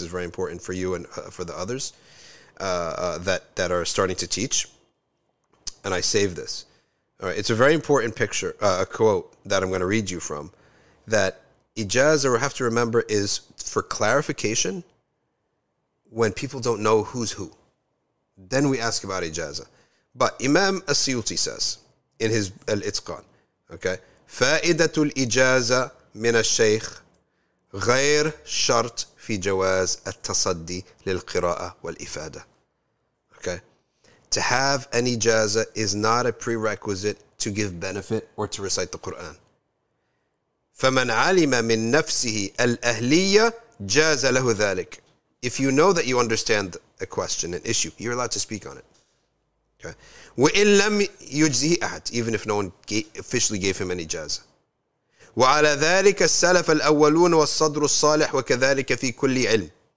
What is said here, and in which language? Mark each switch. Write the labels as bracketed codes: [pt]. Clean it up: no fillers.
[en] It's very important for you and for the others that are starting to teach. And I save this. All right. It's a very important picture, a quote that I'm going to read you from. That ijaza, we have to remember, is for clarification when people don't know who's who. Then we ask about ijaza. But Imam Suyuti says in his Al-Itqan, okay, [ar] فائدة الإجازة من الشيخ غير شرط في جواز التصدي للقراءة والإفادة. [en] Okay, to have an ijaza is not a prerequisite to give benefit or to recite the Quran. [ar] فمن علم من نفسه الأهلية جاز له ذلك. [en] If you know that you understand a question, an issue, you're allowed to speak on it. Okay. [ar] وَإِنْ لَمْ يُجْزِهِ أَحَدٍ, [en] even if no one officially gave him any ijaza. [ar] وَعَلَى ذَلِكَ السَّلَفَ الْأَوَّلُونَ وَالصَّدْرُ الصَّالِحُ وَكَذَلِكَ فِي كُلِّ عِلْمٍ.